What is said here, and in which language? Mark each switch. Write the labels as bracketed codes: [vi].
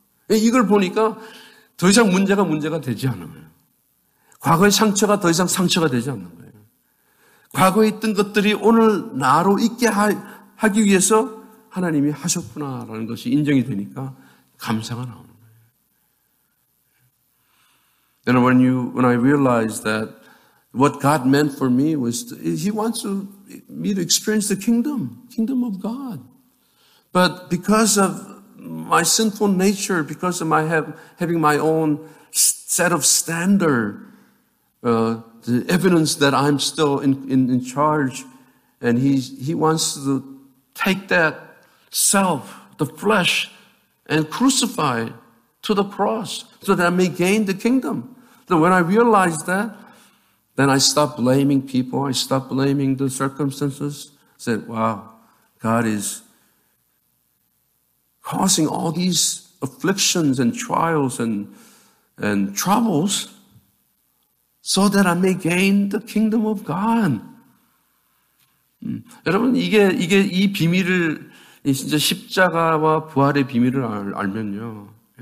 [ko] 이걸 보니까 더 이상 문제가 되지 않는 거예요. 과거의 상처가 더 이상 상처가 되지 않는 거예요. 과거에 있던 것들이 오늘 나로 있게 하기 위해서 하나님이 하셨구나라는 것이 인정이 되니까 감사가 나옵니다. [en] And when I realized that what God meant for me was to, He wants to, me to experience the kingdom of God. But because of my sinful nature, because of my having my own set of standard, the evidence that I'm still in charge, and He wants to take that self, the flesh, and crucify to the cross so that I may gain the kingdom. So when I realized that, then I stopped blaming people. I stopped blaming the circumstances. I said, wow, God is causing all these afflictions and trials and troubles so that I may gain the kingdom of God. [ko] 여러분, 이게 이 비밀을, 진짜 십자가와 부활의 비밀을 알면요.